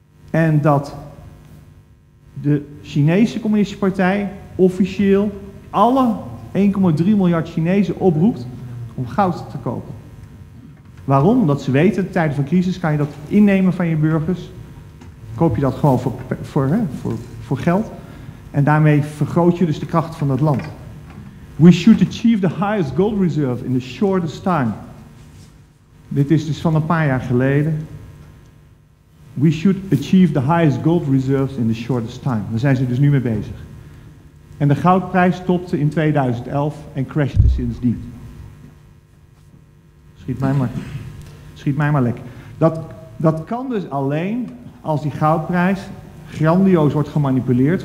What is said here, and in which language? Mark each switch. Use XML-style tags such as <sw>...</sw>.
<nl>En dat de Chinese Communistische Partij officieel alle 1,3 miljard Chinezen oproept om goud te kopen. Waarom? Omdat ze weten, in tijden van crisis kan je dat innemen van je burgers. Koop je dat gewoon voor geld. En daarmee vergroot je dus de kracht van dat land.</nl> <en>We should achieve the highest gold reserve in the shortest time.</en> <nl>Dit is dus van een paar jaar geleden.</nl> <en>We should achieve the highest gold reserves in the shortest time.</en> <nl>Daar zijn ze dus nu mee bezig. En de goudprijs topte in 2011 en crashte sindsdien. Schiet mij maar lek. Dat kan dus alleen als die goudprijs grandioos wordt gemanipuleerd.</nl>